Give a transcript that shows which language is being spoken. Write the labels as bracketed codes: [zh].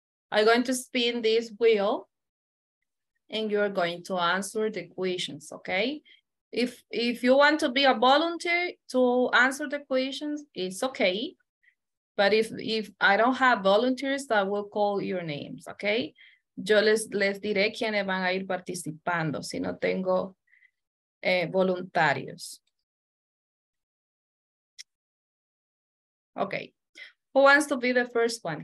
[en] I'm going to spin this wheel and you're going to answer the questions, okay? If you want to be a volunteer to answer the questions, it's okay. But if I don't have volunteers, I will call your names, okay? [es] Yo les diré quiénes van a ir participando si no tengo voluntarios. [en] Okay, who wants to be the first one?